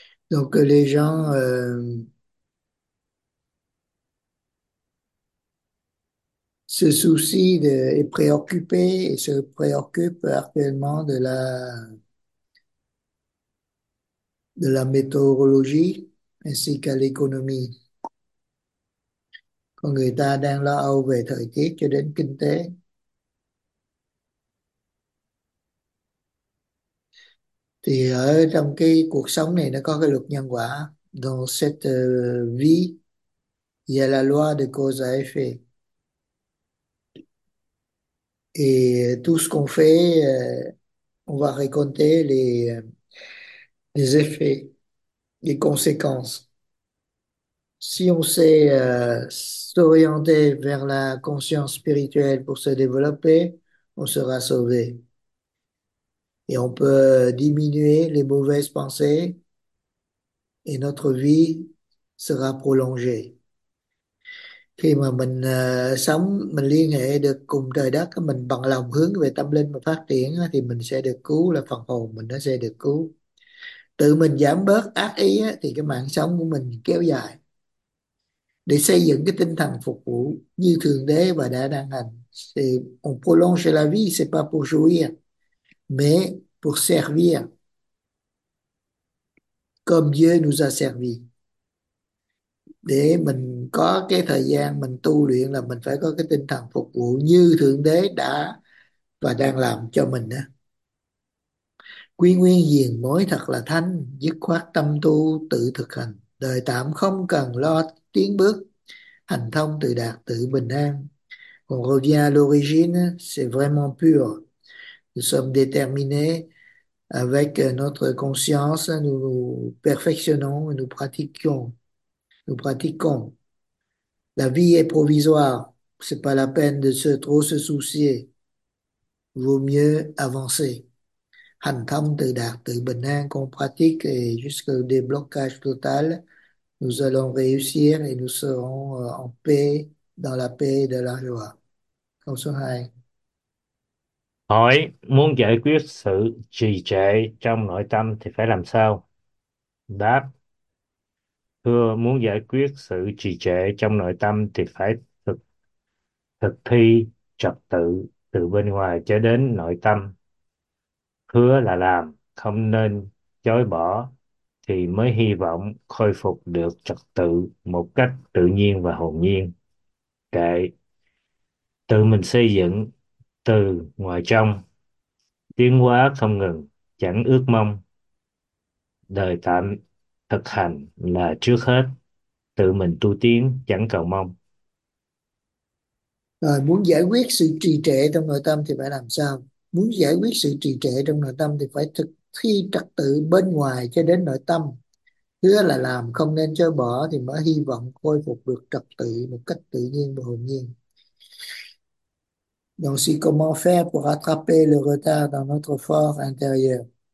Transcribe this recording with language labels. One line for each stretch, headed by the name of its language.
French: Donc les gens se soucient et préoccupés et se préoccupent actuellement de la météorologie ainsi qu'à l'économie.
Vietnamese: Còn người ta đang lo âu về thời tiết cho đến kinh tế. Thì ở trong cái cuộc sống này nó có cái luật nhân quả.
French: Dans cette vie, il y a la loi de cause à effet. Et tout ce qu'on fait, on va raconter les effets, les conséquences. Si on sait s'orienter vers la conscience spirituelle pour se développer, on sera sauvé. Et on peut diminuer les mauvaises pensées et notre vie sera prolongée.
Vietnamese: Khi mà mình sống, mình liên hệ được cùng trời đất, mình bằng lòng hướng về tâm linh và phát triển thì mình sẽ được cứu, là phần hồn mình nó sẽ được cứu. Tự mình giảm bớt ác ý thì cái mạng sống của mình kéo dài. Để xây dựng cái tinh thần phục vụ như Thượng Đế và đã đang hành.
French: Thì on prolonge la vie, c'est pas pour jouir. Mais pour servir comme Dieu nous a servi.
Vietnamese: Để mình có cái thời gian mình tu luyện là mình phải có cái tinh thần phục vụ như Thượng Đế đã và đang làm cho mình. Quy nguyên diền mối thật là thanh, dứt khoát tâm tu tự thực hành. Đời tạm không cần lo tiến bước, hành thông tự đạt tự bình an.
French: On revient à l'origine, c'est vraiment pur. Nous sommes déterminés avec notre conscience, nous perfectionnons et nous pratiquons. La vie est provisoire, ce n'est pas la peine de trop se soucier. Vaut mieux avancer.
Vietnamese: Hành thông tự đạt tự bình an,
French: qu'on pratique et jusqu'au déblocage total, nous allons réussir et nous serons en paix, dans la paix et de la joie.
Vietnamese: Câu số 2. Hỏi: muốn giải quyết sự trì trệ trong nội tâm thì phải làm sao? Đáp: thưa, muốn giải quyết sự trì trệ trong nội tâm thì phải thực thi trật tự từ bên ngoài cho đến nội tâm. Hứa là làm, không nên chối bỏ thì mới hy vọng khôi phục được trật tự một cách tự nhiên và hồn nhiên. Kệ: tự mình xây dựng từ ngoài trong, tiến hóa không ngừng, chẳng ước mong. Đời tạm thực hành là trước hết, tự mình tu tiến chẳng cầu mong. Rồi, muốn giải quyết sự trì trệ trong nội tâm thì phải làm sao? Muốn giải quyết sự trì trệ trong nội tâm thì phải thực thi trật tự bên ngoài cho đến nội tâm. Hứa là làm, không nên chối bỏ thì mới hy vọng khôi phục được trật tự một cách tự nhiên và hồn nhiên.
French: Donc, c'est comment faire pour rattraper le retard dans notre fort intérieur?